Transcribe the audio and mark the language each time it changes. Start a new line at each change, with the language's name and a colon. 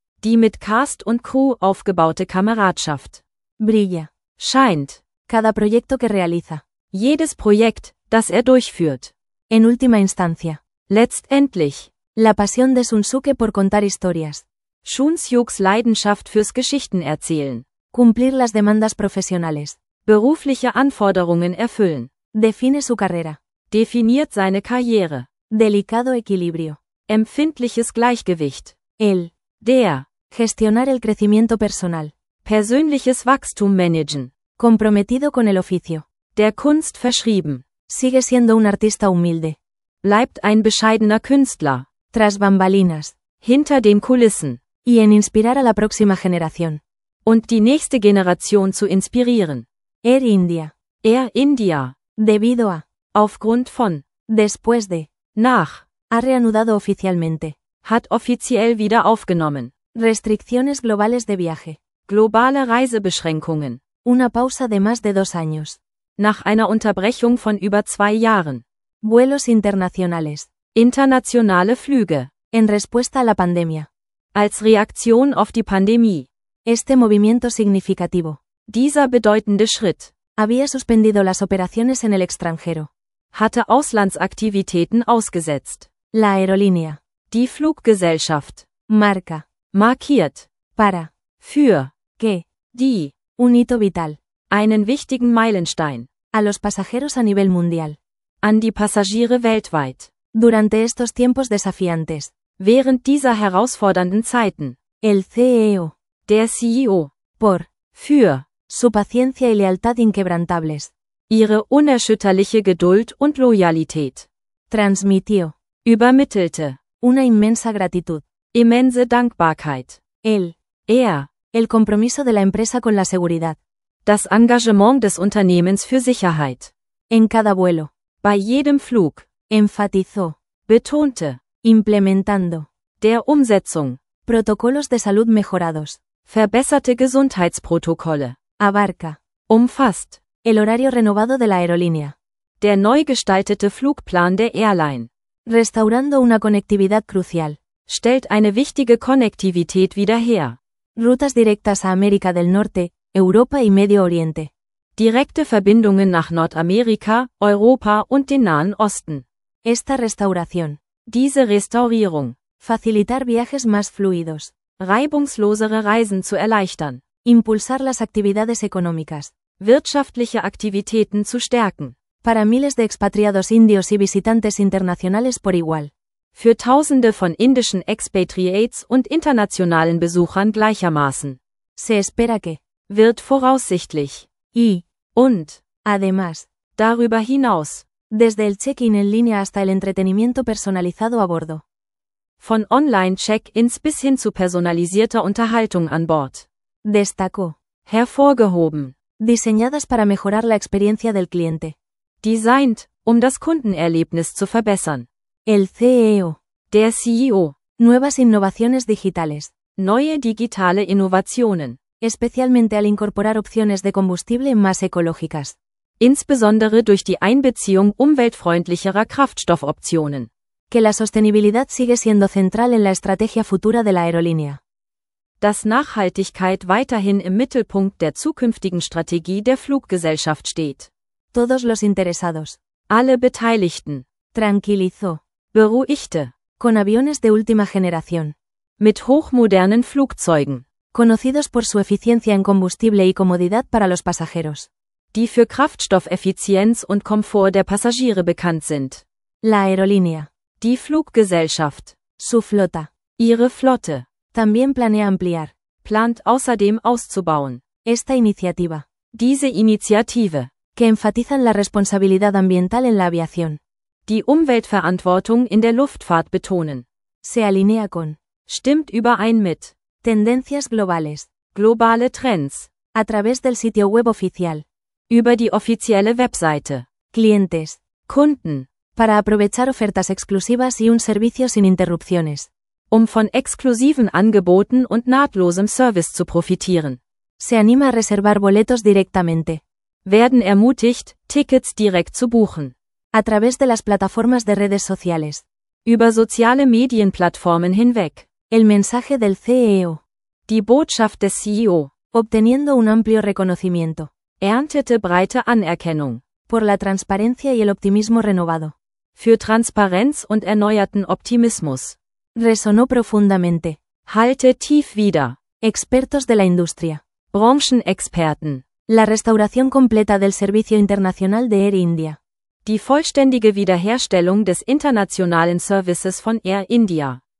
German: Die mit Cast und Crew aufgebaute Kameradschaft.
Spanish: Brilla.
German: Scheint.
Spanish: Cada proyecto que realiza.
German: Jedes Projekt, das durchführt.
Spanish: En última instancia.
German: Letztendlich.
Spanish: La pasión de Shunsuke por contar historias.
German: Shunsukes Leidenschaft fürs Geschichtenerzählen.
Spanish: Cumplir las demandas profesionales.
German: Berufliche Anforderungen erfüllen.
Spanish: Define su carrera.
German: Definiert seine Karriere.
Spanish: Delicado equilibrio.
German: Empfindliches Gleichgewicht.
Spanish: El.
German: Der.
Spanish: Gestionar el crecimiento personal.
German: Persönliches Wachstum managen.
Spanish: Comprometido con el oficio.
German: Der Kunst verschrieben.
Spanish: Sigue siendo un artista humilde.
German: Bleibt ein bescheidener Künstler.
Spanish: Tras bambalinas.
German: Hinter den Kulissen.
Spanish: Y en inspirar a la próxima generación.
German: Und die nächste Generation zu inspirieren.
Spanish: Air India.
German: Air India.
Spanish: Debido a.
German: Aufgrund von.
Spanish: Después de.
German: Nach.
Spanish: Ha reanudado oficialmente.
German: Hat offiziell wieder aufgenommen.
Spanish: Restricciones globales de viaje.
German: Globale Reisebeschränkungen.
Spanish: Una pausa de más de dos años.
German: Nach einer Unterbrechung von über 2 Jahren.
Spanish: Vuelos internacionales.
German: Internationale Flüge.
Spanish: En respuesta a la pandemia.
German: Als Reaktion auf die Pandemie.
Spanish: Este movimiento significativo.
German: Dieser bedeutende Schritt.
Spanish: Había suspendido las operaciones en el extranjero.
German: Hatte Auslandsaktivitäten ausgesetzt.
Spanish: La aerolínea.
German: Die Fluggesellschaft.
Spanish: Marca.
German: Markiert.
Spanish: Para.
German: Für.
Spanish: Que.
German: Die.
Spanish: Un hito vital.
German: Einen wichtigen Meilenstein.
Spanish: A los pasajeros a nivel mundial.
German: An die Passagiere weltweit.
Spanish: Durante estos tiempos desafiantes.
German: Während dieser herausfordernden Zeiten.
Spanish: El CEO.
German: der CEO,
Spanish: por,
German: für,
Spanish: su paciencia y lealtad inquebrantables.
German: Ihre unerschütterliche Geduld und Loyalität.
Spanish: Transmitió.
German: Übermittelte.
Spanish: Una inmensa gratitud.
German: Immense Dankbarkeit.
Spanish: El.
German: Er.
Spanish: El compromiso de la empresa con la seguridad.
German: Das Engagement des Unternehmens für Sicherheit.
Spanish: En cada vuelo.
German: Bei jedem Flug.
Spanish: Enfatizó.
German: Betonte.
Spanish: Implementando.
German: Der Umsetzung.
Spanish: Protocolos de salud mejorados.
German: Verbesserte Gesundheitsprotokolle.
Spanish: Abarca.
German: Umfasst.
Spanish: El horario renovado de la aerolínea.
German: Der neu gestaltete Flugplan der Airline.
Spanish: Restaurando una conectividad crucial.
German: Stellt eine wichtige Konnektivität wieder her.
Spanish: Rutas directas a América del Norte, Europa y Medio Oriente.
German: Direkte Verbindungen nach Nordamerika, Europa und den Nahen Osten.
Spanish: Esta restauración.
German: Diese Restaurierung.
Spanish: Facilitar viajes más fluidos.
German: Reibungslosere Reisen zu erleichtern.
Spanish: Impulsar las actividades económicas.
German: Wirtschaftliche Aktivitäten zu stärken.
Spanish: Para miles de expatriados indios y visitantes internacionales por igual.
German: Für tausende von indischen Expatriates und internationalen Besuchern gleichermaßen.
Spanish: Se espera que.
German: Wird voraussichtlich.
Spanish: Y.
German: Und.
Spanish: Además.
German: Darüber hinaus.
Spanish: Desde el check-in en línea hasta el entretenimiento personalizado a bordo.
German: Von Online-Check-ins bis hin zu personalisierter Unterhaltung an Bord.
Spanish: Destacó.
German: Hervorgehoben.
Spanish: Diseñadas para mejorar la experiencia del cliente.
German: Designed, um das Kundenerlebnis zu verbessern.
Spanish: El CEO.
German: Der CEO.
Spanish: Nuevas innovaciones digitales.
German: Neue digitale Innovationen.
Spanish: Especialmente al incorporar opciones de combustible más ecológicas.
German: Insbesondere durch die Einbeziehung umweltfreundlicherer Kraftstoffoptionen.
Spanish: Que la sostenibilidad sigue siendo central en la estrategia futura de la aerolínea.
German: Dass Nachhaltigkeit weiterhin im Mittelpunkt der zukünftigen Strategie der Fluggesellschaft steht.
Spanish: Todos los interesados.
German: Alle Beteiligten.
Spanish: Tranquilizó.
German: Beruhigte.
Spanish: Con aviones de última generación.
German: Mit hochmodernen Flugzeugen.
Spanish: Conocidos por su eficiencia en combustible y comodidad para los pasajeros.
German: Die für Kraftstoffeffizienz und Komfort der Passagiere bekannt sind.
Spanish: La aerolínea.
German: Die Fluggesellschaft.
Spanish: Su flota.
German: Ihre Flotte.
Spanish: También planea ampliar.
German: Plant außerdem auszubauen.
Spanish: Esta iniciativa.
German: Diese Initiative.
Spanish: Que enfatizan la responsabilidad ambiental en la aviación.
German: Die Umweltverantwortung in der Luftfahrt betonen.
Spanish: Se alinea con.
German: Stimmt überein mit.
Spanish: Tendencias globales.
German: Globale Trends.
Spanish: A través del sitio web oficial.
German: Über die offizielle Webseite.
Spanish: Clientes.
German: Kunden.
Spanish: Para aprovechar ofertas exclusivas y un servicio sin interrupciones.
German: Um von exklusiven Angeboten und nahtlosem Service zu profitieren.
Spanish: Se anima a reservar boletos directamente.
German: Werden ermutigt, Tickets direkt zu buchen.
Spanish: A través de las plataformas de redes sociales.
German: Über soziale Medienplattformen hinweg.
Spanish: El mensaje del CEO.
German: Die Botschaft des CEO.
Spanish: Obteniendo un amplio reconocimiento.
German: Erntete breite Anerkennung.
Spanish: Por la transparencia y el optimismo renovado.
German: Für Transparenz und erneuerten Optimismus.
Spanish: Resonó profundamente.
German: Halte tief wieder.
Spanish: Expertos de la industria.
German: Branchenexperten.
Spanish: La restauración completa del servicio internacional de Air India.
German: Die vollständige Wiederherstellung des internationalen Services von Air India.